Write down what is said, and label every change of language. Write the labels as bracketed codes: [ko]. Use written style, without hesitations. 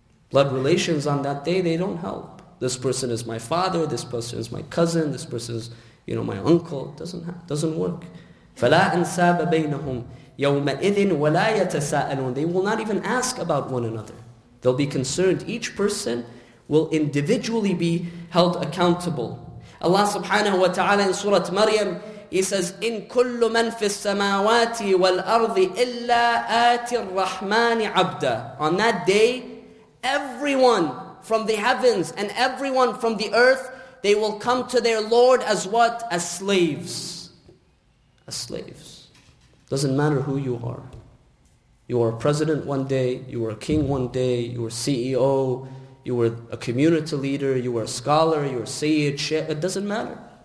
[en] Blood relations on that day, they don't help. This person is my father, this person is my cousin, this person is, you know, my uncle. Doesn't work. [ar] فَلَا أَنْسَابَ بَيْنَهُمْ يَوْمَئِذٍ وَلَا يَتَسَاءَلُونَ. [en] They will not even ask about one another. They'll be concerned. Each person will individually be held accountable. Allah subhanahu wa ta'ala in Surah Maryam, He says, [ar] إِن كُلُّ مَن فِي السَّمَاوَاتِ وَالْأَرْضِ إِلَّا آتِ الرَّحْمَانِ عَبْدًا. [en] On that day, everyone from the heavens and everyone from the earth, they will come to their Lord as what? As slaves. As slaves. Doesn't matter who you are. You are a president one day, you are a king one day, you are CEO, you were a community leader, you were a scholar, you were a sayyid, sheikh, it doesn't matter.